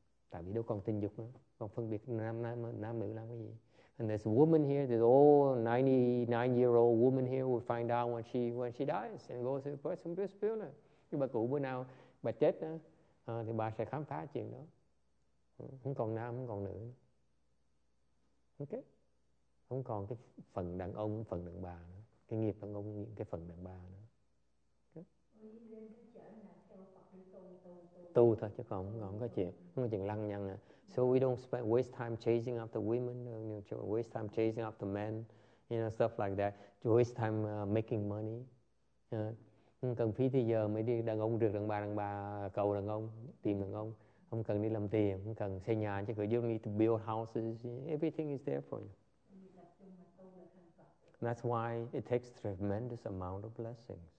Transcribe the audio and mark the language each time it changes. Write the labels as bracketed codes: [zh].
[vi] Tại vì đâu còn tình dục nữa, còn phân biệt nam nữ làm cái gì. [en] And there's a woman here, this old 99-year-old woman here will find out when she dies and goes to the person who's been there. [vi] Nhưng bà cụ bữa nào bà chết đó, thì bà sẽ khám phá chuyện đó. Không còn nam, không còn nữ. Ok. Không còn cái phần đàn ông, phần đàn bà nữa. Cái nghiệp đàn ông, cái phần đàn bà nữa. Tu thôi chứ còn không có chuyện, không có chuyện lăng nhăng à. [en] So we don't spend waste time chasing after women, you know, waste time chasing after men, you know, stuff like that. Waste time making money. [vi] Không cần phí thì giờ mới đi đàn ông rượt đàn bà cầu đàn ông, tìm đàn ông. Không cần đi làm tiền, không cần xây nhà chứ, [en] you don't need to build houses. Everything is there for you. And that's why it takes tremendous amount of blessings.